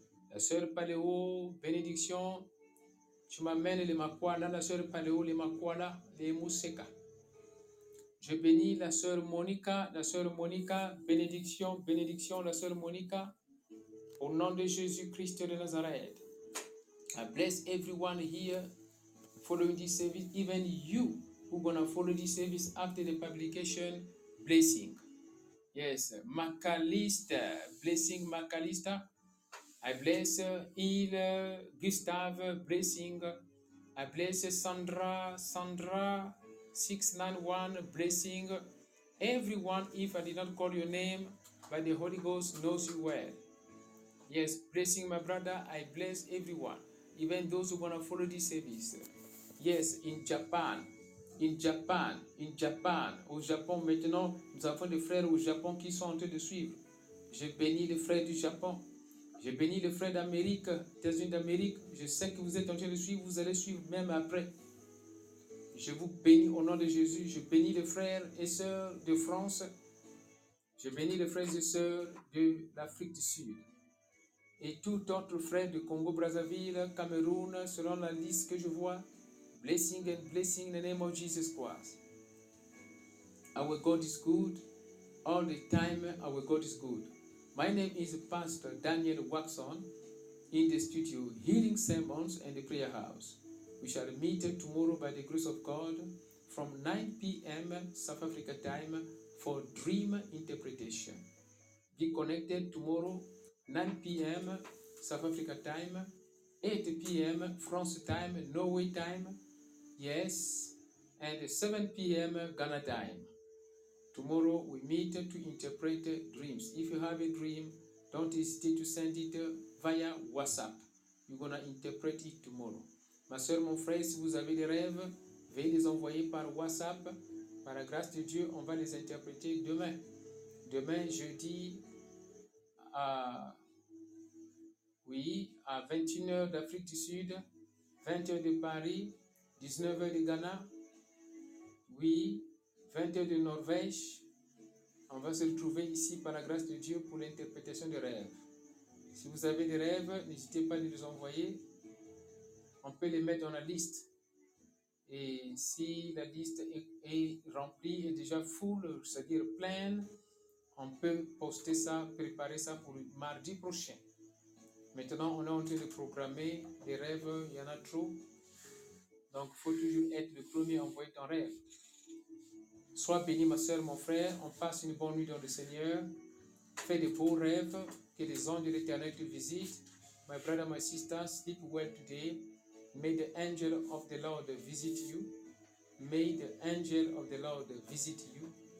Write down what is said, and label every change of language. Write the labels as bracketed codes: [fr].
[fr] La sœur Paléo, bénédiction, tu m'amènes les Makwala, la sœur Paléo, les Makwala, les Mouseka. Je bénis la sœur Monica, bénédiction, bénédiction, la sœur Monica, au nom de Jésus-Christ de Nazareth. [en] I bless everyone here following this service, even you who are going to follow this service after the publication, blessing. Yes, Macalister, blessing Macalister. I bless Il, Gustave, blessing. I bless Sandra, Sandra. 691, blessing. Everyone, if I did not call your name, but the Holy Ghost knows you well. Yes, blessing my brother, I bless everyone, even those who want to follow this service. Yes, in Japan, [fr] au Japon maintenant, nous avons des frères au Japon qui sont en train de suivre. Je bénis les frères du Japon. Je bénis les frères d'Amérique, des unes d'Amérique. Je sais que vous êtes en train de suivre, vous allez suivre même après. Je vous bénis au nom de Jésus. Je bénis les frères et sœurs de France. Je bénis les frères et sœurs de l'Afrique du Sud. Et tout autre frère du Congo-Brazzaville, Cameroun, selon la liste que je vois. [en] Blessing and blessing in the name of Jesus Christ. Our God is good. All the time, our God is good. My name is Pastor Daniel Waxon in the studio, Healing Sermons and the Prayer House. We shall meet tomorrow by the grace of God from 9 p.m. South Africa time for dream interpretation. Be connected tomorrow, 9 p.m. South Africa time, 8 p.m. France time, Norway time, yes, and 7 p.m. Ghana time. Tomorrow we meet to interpret dreams. If you have a dream, don't hesitate to send it via WhatsApp. You're going to interpret it tomorrow. [fr] Ma soeur, mon frère, si vous avez des rêves, veuillez les envoyer par WhatsApp. Par la grâce de Dieu, on va les interpréter demain. Demain, jeudi, à 21h d'Afrique du Sud, 20h de Paris, 19h de Ghana, 20h de Norvège. On va se retrouver ici par la grâce de Dieu pour l'interprétation des rêves. Si vous avez des rêves, n'hésitez pas à les envoyer. On peut les mettre dans la liste. Et si la liste est remplie, est déjà full, c'est-à-dire pleine, on peut poster ça, préparer ça pour mardi prochain. Maintenant, on est en train de programmer des rêves, il y en a trop. Donc, il faut toujours être le premier à envoyer ton rêve. Sois béni, ma soeur, mon frère. On passe une bonne nuit dans le Seigneur. Fais de beaux rêves, que les anges de l'Éternel te visitent. [en] My brother, my sister, sleep well today. May the angel of the Lord visit you. May the angel of the Lord visit you.